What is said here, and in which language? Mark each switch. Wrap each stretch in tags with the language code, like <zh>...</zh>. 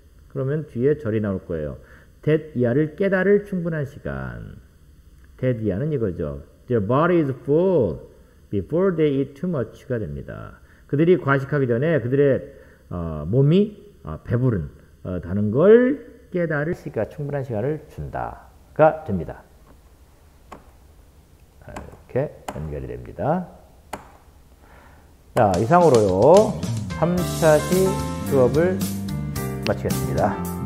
<ko>그러면 뒤에 절이 나올 거예요. that 이하를 깨달을 충분한 시간. that 이하는 이거죠.</ko> <en>their body is full before they eat too much가</en> <ko>됩니다. 그들이 과식하기 전에 그들의 몸이 배부른다는 걸 깨달을 시간, 충분한 시간을 준다가 됩니다. 이렇게 연결이 됩니다. 자, 이상으로요. 3차시 수업을 마치겠습니다.</ko>